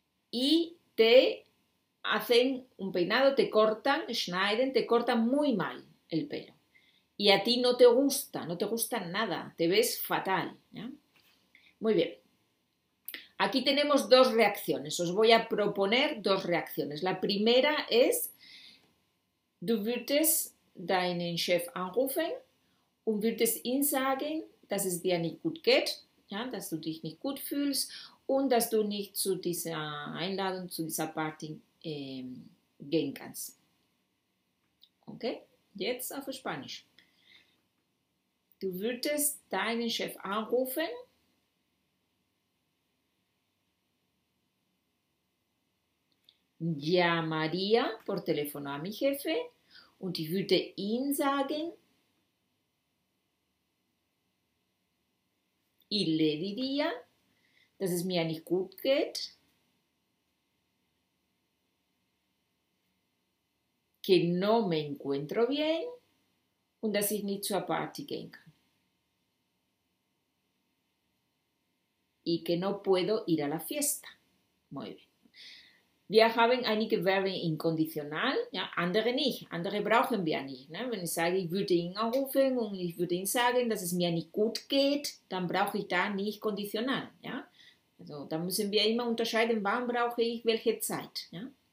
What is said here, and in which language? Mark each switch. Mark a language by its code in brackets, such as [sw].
[es] Y te hacen un peinado, te cortan, [de] schneiden, [es] te cortan muy mal el pelo. Y a ti no te gusta, no te gusta nada, te ves fatal, ¿ya? Muy bien. Aquí tenemos 2 reacciones. Os voy a proponer 2 reacciones. La primera es: [de] Du würdest deinen Chef anrufen und würdest ihm sagen, dass es dir nicht gut geht, ¿ya? Dass du dich nicht gut fühlst und dass du nicht zu dieser Einladung, zu dieser Party gehen kannst. ¿Ok? Jetzt auf Spanisch. Du würdest deinen Chef anrufen? [es] Llamaría por teléfono a mi jefe [de] und ich würde ihn sagen, [es] y le diría, [de] dass es mir nicht gut geht, [es] que no me encuentro bien [de] und dass ich nicht zur Party gehen kann. [es] Y que no puedo ir a la fiesta. Muy bien. [de] Wir haben einige Verben in Konditional, ja, andere nicht. Andere brauchen wir nicht. Ne? Wenn ich sage, ich würde ihn anrufen und ich würde ihm sagen, dass es mir nicht gut geht, dann brauche ich da nicht Konditional. Ja? Also, da müssen wir immer unterscheiden, wann brauche ich welche Zeit. Ja?